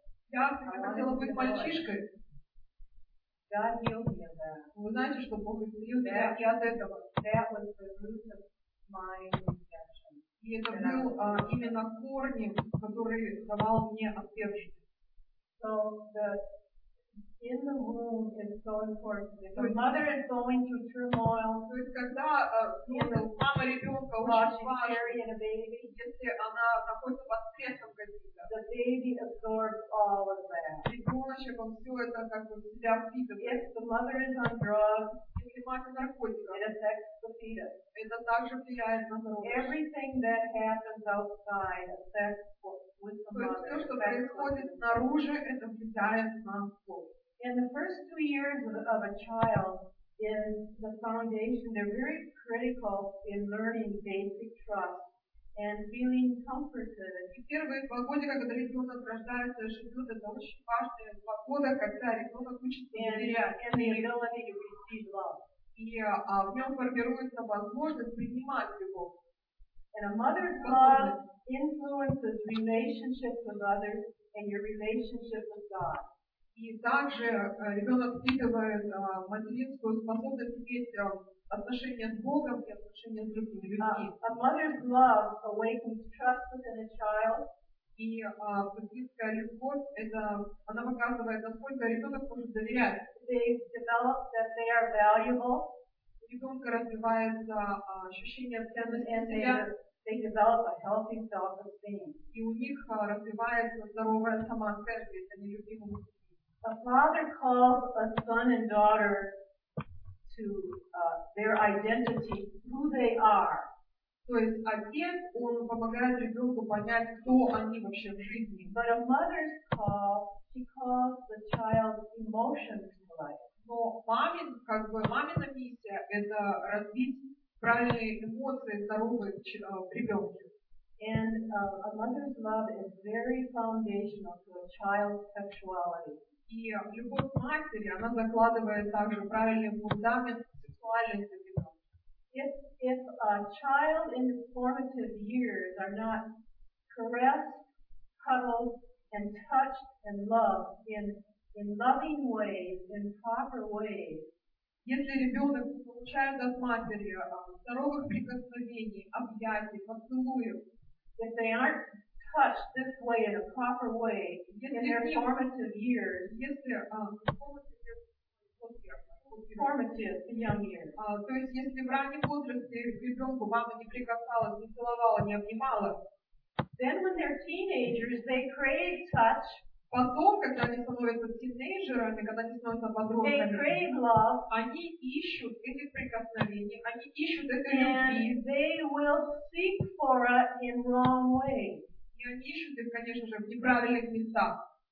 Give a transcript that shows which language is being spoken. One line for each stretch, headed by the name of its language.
Russian: Я хотела быть мальчишкой.
English: God healed me of that.
Russian: Вы знаете, что Бог исцелил меня от этого?
English: That was the root of my infection.
Russian: И это был именно корнем, который давал мне отверстие.
English: So the in the womb is so important. If the mother is going through turmoil,
Russian: то есть когда мама ребенка очень важна, если она находится под стрессом каким-то,
English: the baby absorbs all of that.
Russian: Ребеночек он все это как бы в себя впитывает.
English: If the mother is on drugs,
Russian: если мать на наркотиках,
English: it affects the fetus.
Russian: Это также влияет на здоровье.
English: Everything that happens outside affects with the mother.
Russian: То есть все, что происходит снаружи, это влияет на плод.
English: And the first 2 years of a child is the foundation. They're very critical in learning basic trust and feeling comforted.
Russian: Первые 2 годика, когда ребенок рождается и живет, это очень важные 2 года, когда ребенок учится доверять.
English: And the ability to receive love.
Russian: И в нем формируется возможность принимать любовь.
English: And a mother's love influences relationships with others and your relationship with God.
Russian: И также ребенок впитывает материнскую способность иметь отношения с Богом и отношения с другими людьми.
English: A mother's love awakens trust within a child.
Russian: И материнская любовь, это она показывает, насколько ребенок может доверять.
English: They develop that they are valuable.
Russian: У ребенка развивается ощущение ценности
English: and
Russian: себя.
English: They develop a healthy self-esteem.
Russian: И у них развивается здоровая самооценка, они любимы.
English: A father calls a son and daughter to their identity, who they are.
Russian: То есть отец, он помогает ребенку понять, кто они вообще в жизни.
English: But a mother's call, she calls the child's emotions to life.
Russian: Но мамин, как бы мамина миссия, это развить правильные эмоции здоровые ребенка.
English: And a mother's love is very foundational to a child's sexuality.
Russian: И любовь матери, она закладывает также правильный фундамент сексуальности ребенка.
English: If a child in his formative years are not caressed, cuddled, and touched and loved in loving ways, in proper ways,
Russian: если ребенок получает от матери здоровых прикосновений, объятий, поцелуев,
English: if they aren't touch this way in a proper way in their formative young years. Then when they're teenagers, they crave touch.
Russian: Потом, когда они становятся тинейджерами, когда они становятся подростками, они ищут этих прикосновений, они ищут этой
English: and
Russian: любви.
English: They will seek for it in wrong ways.
Russian: И они ищут их, конечно же, в неправильных местах.